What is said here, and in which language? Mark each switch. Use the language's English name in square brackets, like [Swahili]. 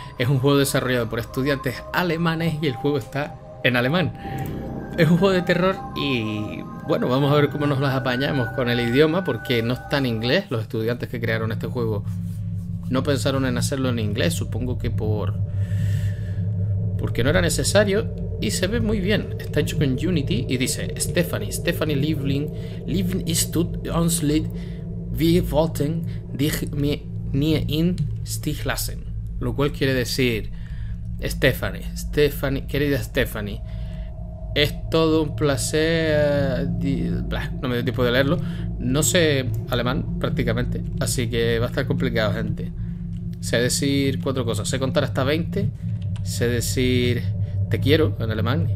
[Spanish] Es un juego desarrollado por estudiantes alemanes y el juego está en alemán. Es un juego de terror y bueno, vamos a ver cómo nos las apañamos con el idioma, porque no está en inglés. Los estudiantes que crearon este juego no pensaron en hacerlo en inglés, supongo que porque no era necesario, y se ve muy bien. Está hecho con Unity y dice Stephanie Liebling, [German] Liebling ist tut uns leid, wir wollten dich nie in Stich lassen. [Spanish] Lo cual quiere decir, Stephanie, querida Stephanie, es todo un placer. No me dio tiempo de leerlo. No sé alemán prácticamente, así que va a estar complicado, gente. Sé decir cuatro cosas. Sé contar hasta 20. Sé decir te quiero en alemán.